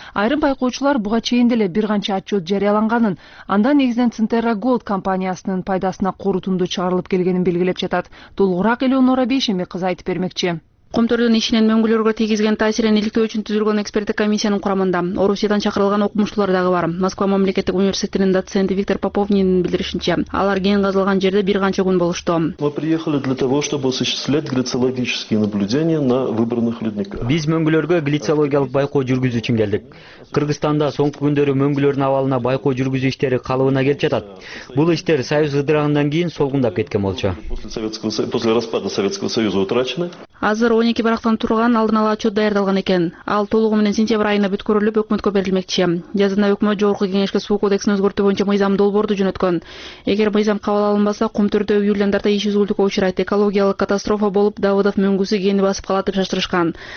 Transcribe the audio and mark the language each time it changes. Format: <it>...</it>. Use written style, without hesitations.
<ky>Айрым байкоочулар буга чейин деле бир канча отчет жарыяланганын, анда негизинен Центерра Голд компаниясынын пайдасына корутунду чыгарылып келгенин белгилеп жатат. Толугураак Элеонора Бейшеме кызы айтып бермекчи. Кумтөрдүн ишинен мөңгүлөргө тийгизген таасирин иликтөө үчүн түзүлгөн эксперттик комиссиянын курамында Орусиядан чакырылган окумуштуулар дагы бар. Москва мамлекеттик университетинин доценти Виктор Поповнин билдиришинче, алар кең казылган жерде бир канча күн болушту.</ky> <ru>Мы приехали для того, чтобы осуществлять глициологические наблюдения на выбранных ледниках.</ru> <ky>Биз мөңгүлөргө глициологиялык байкоо жүргүзүү үчүн келдик. Кыргызстанда соңку күндөрү мөңгүлөрдүн абалына байкоо жүргүзүү иштери калыбына келип жатат. Бул иштер Союз ыдырагандан кийин солгундап кеткен болчу.</ky> <ru>После распада Советского Союза утрачены.</ru> <ky>Азыр 12 барактан турган алдын ала отчет даярдалган экен. Ал толугу менен сентябрь айына бүткөрүлүп өкмөткө берилмекчи. Жазында өкмөт жогорку кеңешке суу кодексин өзгөртүү боюнча мыйзам долбоорду жөнөткөн. Эгер мыйзам кабыл алынбаса, Кумтөрдө үйлөндөрдө иш үзгүлтүккө учурайт. Экологиялык катастрофа болуп, Давыдов мөңгүсү кени басып калат деп шаштырышкан.</ky>